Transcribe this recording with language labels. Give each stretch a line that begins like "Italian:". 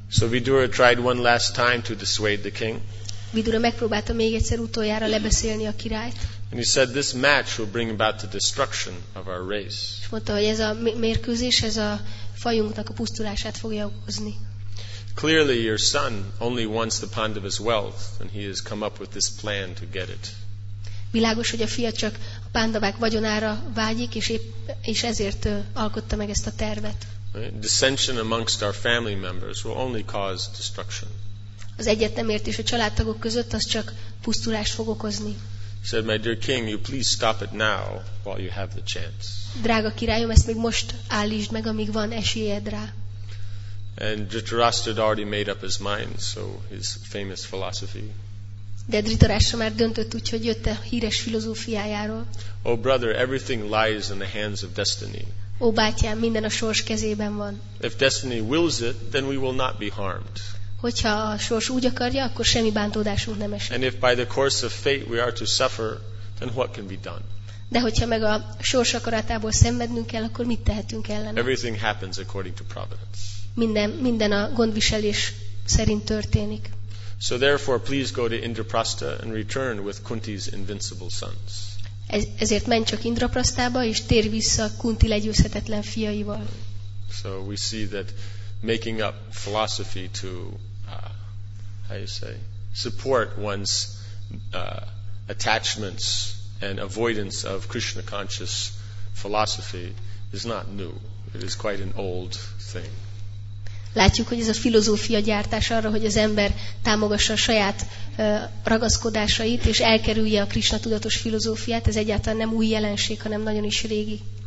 English: So Vidura tried one last time to dissuade the king.
Hungarian: Vidura megpróbálta még egyszer utoljára lebeszélni a királyt.
English: And he said, this match will bring about the destruction of our race.
Hungarian: És mondta, hogy ez a mérkőzés, ez a fajunknak a pusztulását fogja okozni.
English: Clearly your son only wants the Pandavas' wealth, and he has come up with this plan to get it.
Hungarian: Világos, hogy a fia csak a pándavák vagyonára vágyik, és, épp, és ezért alkotta meg ezt a tervet.
English: Right? Dissension amongst our family members will only cause destruction.
Hungarian: Az egyetemértés a családtagok között az csak pusztulást fog okozni.
English: Said, my dear king, you please stop it now while you have the chance.
Hungarian: Drága királyom, ezt még most állítsd meg, amíg van esélyed rá.
English: And Dhritarashtra had already made up his mind, so his famous philosophy.
Hungarian: De Dhritarashtra már döntött úgy, hogy jött a híres filozófiájáról.
English: Oh brother, everything lies in the hands of destiny.
Hungarian: Ó bátyám, minden a sors kezében van.
English: If destiny wills it, then we will not be harmed.
Hungarian: Hogyha a sors úgy akarja, akkor semmi bántódásunk nem esik.
English: And if by the course of fate we are to suffer, then what can be done?
Hungarian: De hogyha meg a sors akaratából szenvednünk kell, akkor mit tehetünk ellene?
English: Everything happens according to providence.
Hungarian: Minden a gondviselés szerint történik.
English: So therefore please go to Indraprastha and return with Kunti's invincible sons.
Hungarian: Ezért menj csak Indraprasthába és tér vissza Kunti legyőzhetetlen fiaival.
English: So we see that making up philosophy to how you say support one's attachments and avoidance of Krishna conscious philosophy is not new. It is quite an old thing.
Hungarian: látjuk, hogy ez a filozófia gyártás arra, hogy az ember támogassa a saját ragaszkodásait, és elkerülje a Krisna tudatos filozófiát, ez egyáltalán nem új jelenség, hanem nagyon is régi.